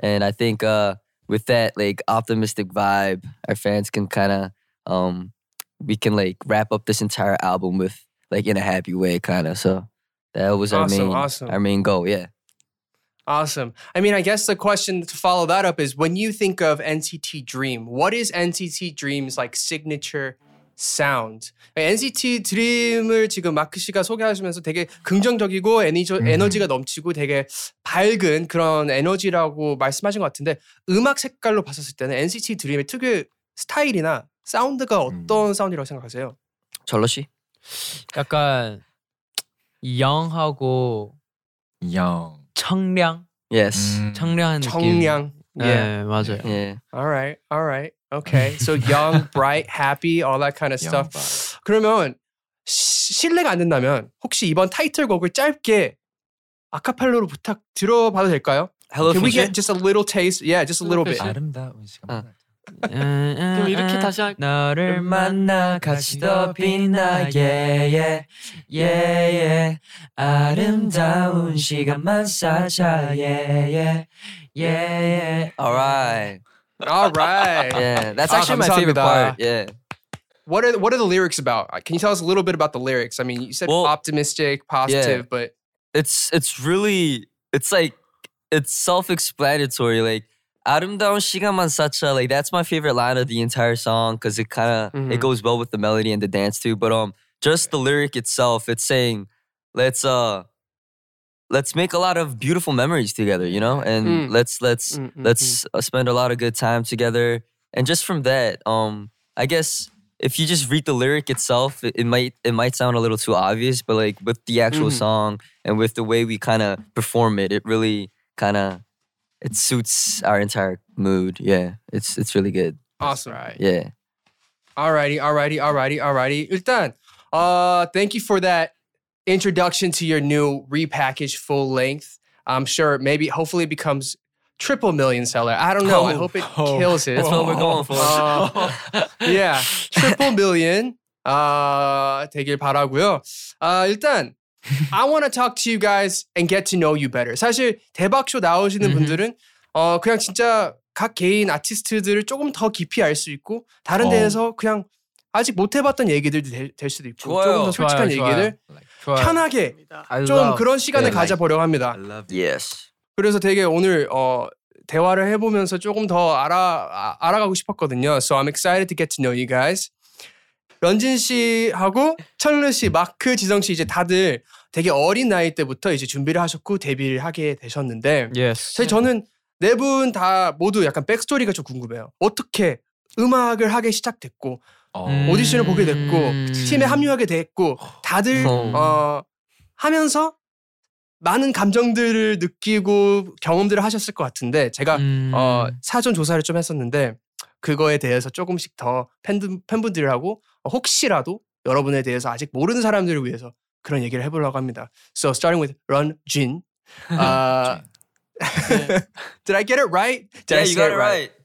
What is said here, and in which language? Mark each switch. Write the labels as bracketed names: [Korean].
[English] And I think with that like optimistic vibe, our fans can kind of, we can like wrap up this entire album with like in a happy way kind of. So. That was awesome, our main goal, yeah. Awesome. I mean, I guess the question to follow that up is when you think of NCT Dream, what is NCT Dream's like signature sound. [Korean] NCT Dream을 지금 마크 씨가 소개하시면서 되게 긍정적이고 에너지가 넘치고 되게 밝은 그런 에너지라고 말씀하신 것 같은데 음악 색깔로 봤었을 때는 NCT Dream의 특유의 스타일이나 사운드가 어떤 사운드라고 생각하세요? 절로 씨? 약간 영하고 영 청량? [English] Yes. [Korean] 청량한 청량. 느낌. 청량. Yeah. 네, 맞아요. [English] Yeah. Alright, alright. Okay, so young, bright, happy, all that kind of stuff. [Korean] 그러면 실례가 안 된다면 혹시 이번 타이틀곡을 짧게 아카펠로로 부탁 들어봐도 될까요? [English] Hello, can we get just a little taste? Yeah, just a little bit. [Korean] 아름다운 시간. 그럼 이렇게 다시 할 너를 만나 같이 더 빛나게 yeah, yeah, yeah. 아름다운 시간만 쌓자 yeah, yeah, yeah, yeah. [English] Alright. All right. Yeah, that's actually my favorite part. Yeah. What are the lyrics about? Can you tell us a little bit about the lyrics? I mean, you said optimistic, positive, yeah. But it's self-explanatory. [Korean] Like 아름다운 시간만 쌓자. [English] Like that's my favorite line of the entire song because it kind of it goes well with the melody and the dance too. But the lyric itself, it's saying let's make a lot of beautiful memories together, you know? And let's spend a lot of good time together. And just from that, I guess if you just read the lyric itself, it might sound a little too obvious, but like with the actual song and with the way we kind of perform it, it really kind of, it suits our entire mood. Yeah, it's really good. Awesome. Right. Yeah. Alrighty. 일단, thank you for that. Introduction to your new repackaged full length. I'm sure maybe hopefully it becomes triple million seller. I don't know. I hope it kills it. That's what we're going for. yeah. Triple million. [Korean] 되길 바라고요. [English] 일단 I want to talk to you guys and get to know you better. [Korean] 사실 대박쇼 나오시는 분들은 그냥 진짜 각 개인 아티스트들을 조금 더 깊이 알 수 있고 다른 데에서 그냥 아직 못 해봤던 얘기들도 될 수도 있고 좋아요. 조금 더 솔직한 좋아요. 얘기들 편하게 좀 그런 시간을 [English] yeah, [Korean] 가져보려고 합니다. [English] Yes. [Korean] 그래서 되게 오늘 대화를 해보면서 조금 더 알아가고 싶었거든요. [English] So I'm excited to get to know you guys. [Korean] 런진 씨하고 철루 씨, 마크, 지성 씨 이제 다들 되게 어린 나이 때부터 이제 준비를 하셨고 데뷔를 하게 되셨는데 [English] yes. [Korean] 사실 저는 네 분 다 모두 약간 백스토리가 좀 궁금해요. 어떻게 음악을 하게 시작됐고 오디션을 보게 됐고 팀에 합류하게 됐고 다들 하면서 많은 감정들을 느끼고 경험들을 하셨을 것 같은데 제가 사전 조사를 좀 했었는데 그거에 대해서 조금씩 더 팬분들하고 혹시라도 여러분에 대해서 아직 모르는 사람들을 위해서 그런 얘기를 해보려고 합니다. [English] So starting with Run Jin. Did I get it right? Did yeah, I you got it right.